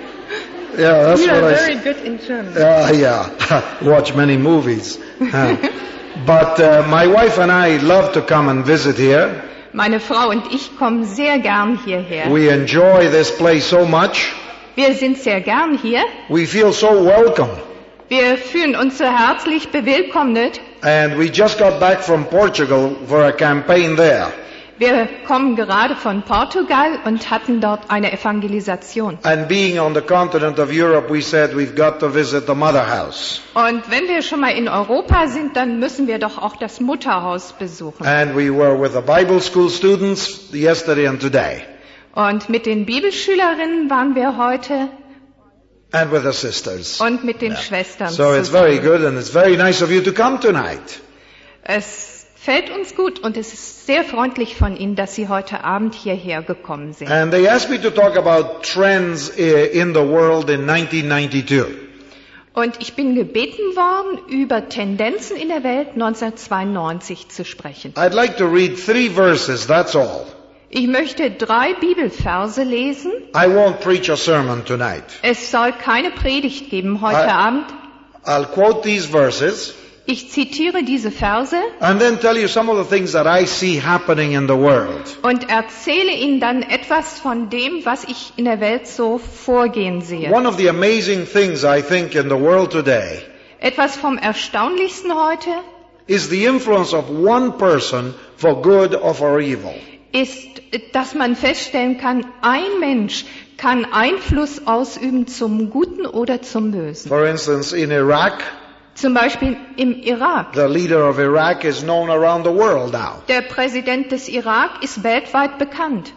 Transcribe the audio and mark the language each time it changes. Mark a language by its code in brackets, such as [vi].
[en] You are very good in German. Watch many movies. But my wife and I love to come and visit here. [de] Meine Frau und ich kommen sehr gern hierher. [en] We enjoy this place so much. [de] Wir sind sehr gern hier. [en] We feel so welcome. [de] Wir fühlen uns so herzlich bewillkommnet. [en] And we just got back from Portugal for a campaign there. [de] Wir kommen gerade von Portugal und hatten dort eine Evangelisation. [en] And being on the continent of Europe, we said we've got to visit the mother house. [de] Und wenn wir schon mal in Europa sind, dann müssen wir doch auch das Mutterhaus besuchen. [en] And we were with the Bible school students yesterday and today. [de] Und mit den Bibelschülerinnen waren wir heute. [en] And with the sisters. [de] Und mit den Schwestern. [en] So it's very good and it's very nice of you to come tonight. [de] Es fällt uns gut und es ist sehr freundlich von Ihnen, dass Sie heute Abend hierher gekommen sind. [en] And they asked me to talk about trends in the world in 1992. [de] Und ich bin gebeten worden, über Tendenzen in der Welt 1992 zu sprechen. [en] I'd like to read three verses, that's all. [de] Ich möchte drei Bibelverse lesen. [en] I won't preach a sermon tonight. [de] Es soll keine Predigt geben heute Abend. [en] I'll quote these verses. [de] Ich zitiere diese Verse. [en] And then tell you some of the things that I see happening in the world. [de] Und erzähle Ihnen dann etwas von dem, was ich in der Welt so vorgehen sehe. [en] One of the amazing things I think in the world today. [de] Etwas vom Erstaunlichsten heute. [en] Is the influence of one person for good or for evil. [de] Ist, dass man feststellen kann, ein Mensch kann Einfluss ausüben zum Guten oder zum Bösen. [en] For instance, in Iraq. [de] Zum Beispiel im Irak. [en] The leader of Iraq is known around the world now. [de] Der Präsident des Irak ist weltweit bekannt.